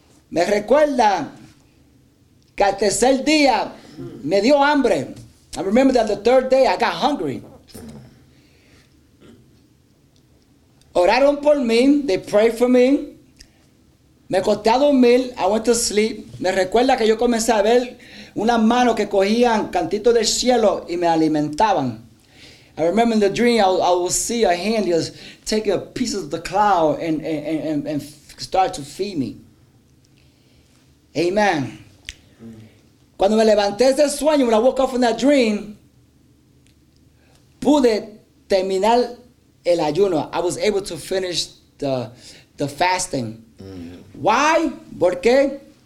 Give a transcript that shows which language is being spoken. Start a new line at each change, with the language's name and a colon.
Spanish: Me recuerda que al tercer día me dio hambre.
English: I remember that the 3rd day I got hungry.
Spanish: Oraron por mí,
English: they prayed for me.
Spanish: Me acosté a dormir,
English: I went to sleep.
Spanish: Me recuerda que yo comencé a ver unas manos que cogían cantitos del cielo y me alimentaban.
English: I remember in the dream I would see a hand just take a piece of the cloud and start to feed me. Amen.
Spanish: Cuando me levanté de ese sueño,
English: when I woke up from that dream,
Spanish: pude terminar el ayuno.
English: I was able to finish the fasting. Mm-hmm. Why?
Spanish: ¿Por qué?